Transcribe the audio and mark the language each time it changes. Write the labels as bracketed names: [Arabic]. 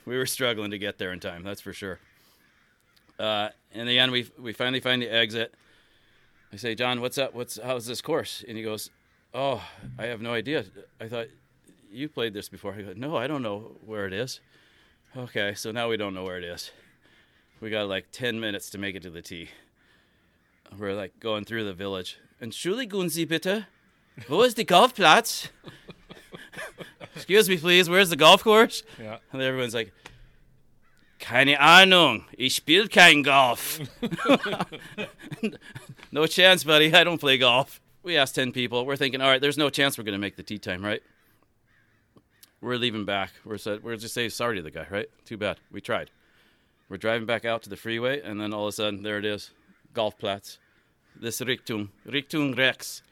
[English] We were struggling to get there in time, that's for sure. In the end, we finally find the exit. I say, John, what's up? How's this course? And he goes, oh, I have no idea. I thought you played this before. I go, no, I don't know where it is. Okay, so now we don't know where it is. We got like 10 minutes to make it to the tee. We're like going through the village. [German] Entschuldigen Sie bitte, wo ist der Golfplatz? [English] Excuse me, please, where's the golf course? Yeah. And everyone's like, [German] keine Ahnung, ich spiel kein Golf. [English] No chance, buddy. I don't play golf. We asked 10 people. We're thinking, all right, there's no chance we're going to make the tee time, right? We're leaving back. We're just saying sorry to the guy, right? Too bad. We tried. We're driving back out to the freeway, and then all of a sudden, there it is, Golfplatz. This Richtung Rex.